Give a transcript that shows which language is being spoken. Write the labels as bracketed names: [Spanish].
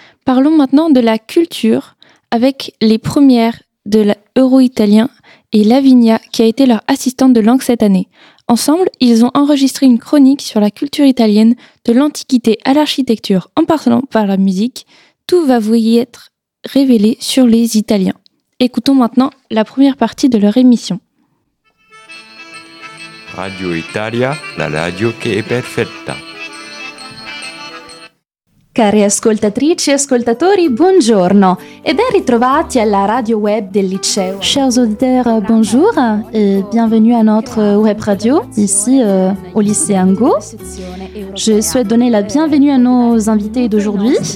[French] Parlons maintenant de la culture avec les premières de l'Euro-Italien et Lavinia qui a été leur assistante de langue cette année. Ensemble, ils ont enregistré une chronique sur la culture italienne de l'Antiquité à l'architecture en passant par la musique. Tout va vous y être révélé sur les Italiens. Écoutons maintenant la première partie de leur émission. [Italian] Radio Italia, la radio che è perfetta. Cari ascoltatrici e ascoltatori, buongiorno e ben ritrovati alla radio web del liceo. [French] Chers auditeurs, bonjour et bienvenue à notre web radio ici au lycée Ango. Je souhaite donner la bienvenue à nos invités d'aujourd'hui.